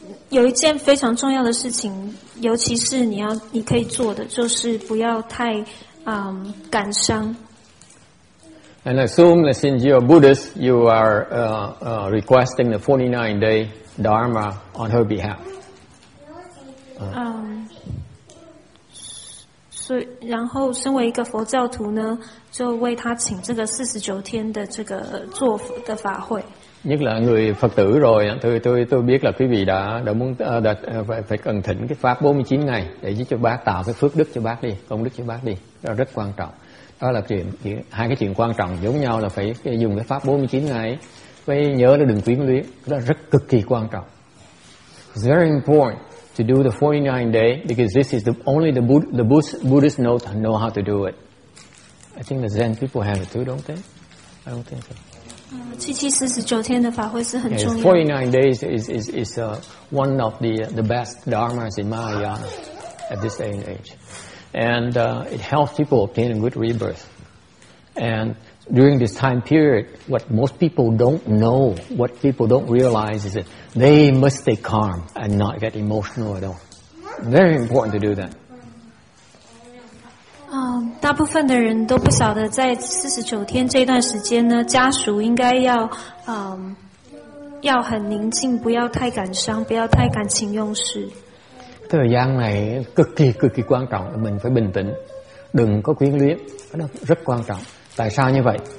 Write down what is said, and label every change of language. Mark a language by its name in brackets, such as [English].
[Chinese] 有一件非常重要的事情，尤其是你可以做的，就是不要太感伤。 [English] And assume that since you're a Buddhist, you are requesting the 49-day Dharma on her behalf. [Chinese] 所以，然后身为一个佛教徒呢，就为他请这个49天的这个做的法会。 [Vietnamese] Nhất là người Phật tử rồi, tôi biết là quý vị đã muốn đã phải cần thỉnh cái pháp 49 ngày để giúp cho bác tạo cái phước đức cho bác đi, công đức cho bác đi, đó rất quan trọng. Đó là chuyện hai cái chuyện quan trọng giống nhau là phải dùng cái pháp 49 ngày, phải nhớ là đừng quyến luyến, đó rất cực kỳ quan trọng. [English] It's very important to do the 49 day because this is the only the Buddhist know how to do it. I think the Zen people have it too, don't they? I don't think so. 49 days is one of the best dharmas in Mahayana at this day and age. And it helps people obtain a good rebirth. And during this time period, what most people don't know, what people don't realize is that they must stay calm and not get emotional at all. Very important to do that. [Chinese] 大部分的人都不晓得在49天这段时间呢，家属应该要要很宁静，不要太感伤，不要太感情用事。 [Vietnamese] Thời gian này cực kỳ quan trọng, mình phải bình tĩnh, đừng có quyến luyến, đó rất quan trọng. Tại sao như vậy?